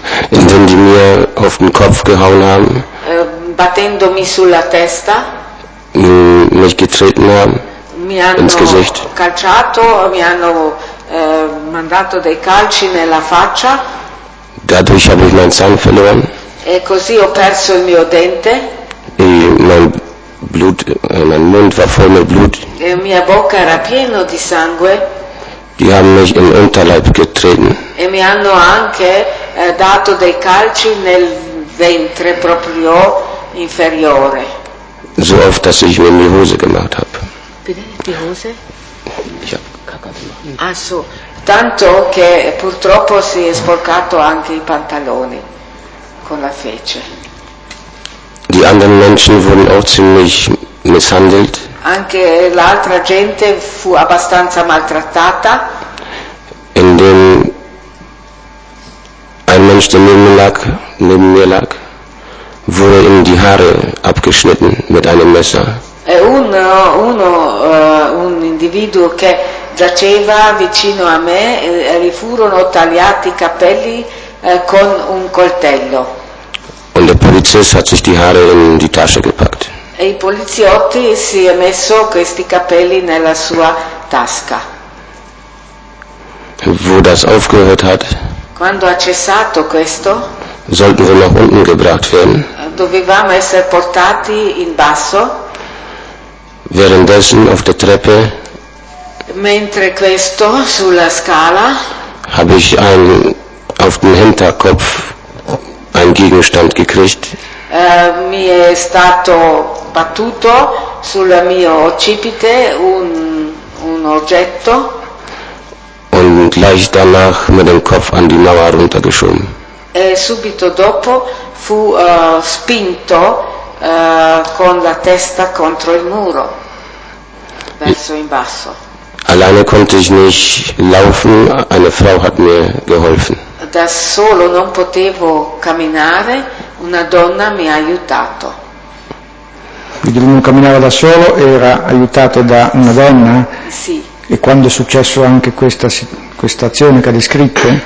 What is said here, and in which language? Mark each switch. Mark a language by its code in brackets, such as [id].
[de] Indem die mir auf den Kopf gehauen haben. [it] Battendomi sulla testa. [de] Mich getreten haben, [it] mi hanno [de] ins Gesicht. [it] Calciato, mi hanno mandato dei calci nella faccia. [de] Dadurch habe ich meinen Zahn verloren. [it] E così ho perso il mio dente. [de] E mein Mund war voll mit Blut. [it] E mia bocca era pieno di sangue. [de] Die haben mich im Unterleib getreten. [it] E mi hanno anche dato dei calci nel ventre proprio inferiore. [de] So oft, dass ich mir die Hose gemacht habe. Bitte, die Hose? Ich habe Kacke gemacht. Ach so, [it] tanto che purtroppo si è sporcato anche i pantaloni con la fece. [de] Die anderen Menschen wurden auch ziemlich misshandelt. [it] Anche l'altra gente fu abbastanza maltrattata. [de] Indem ein Mensch, der neben mir lag, wurde ihm die Haare abgeschnitten mit einem Messer. [it] Un individuo che giaceva vicino a me, gli furono tagliati i capelli con un coltello. [de] Und der Polizist hat sich die Haare in die Tasche gepackt. [it] E il poliziotto si è messo questi capelli nella sua tasca. [de] Wo das aufgehört hat, [it] quando ha cessato questo, [de] sollten wir nach unten gebracht werden. [it] Dovevamo essere portati in basso. [de] Währenddessen auf der Treppe, [it] mentre questo sulla scala, [de] habe ich einen auf den Hinterkopf einen Gegenstand gekriegt. [it] Mi è stato battuto sul mio occipite un oggetto. [de] Und gleich danach mit dem Kopf an die Mauer runtergeschoben. [it] E subito dopo fu spinto con la testa contro il muro, verso in basso. [de] Alleine konnte ich nicht laufen, eine Frau hat mir geholfen. [it] Da solo non potevo camminare, una donna mi ha aiutato. Quindi lui non camminava da solo, era aiutato da una donna? Sì. E quando è successo anche questa azione che ha descritto?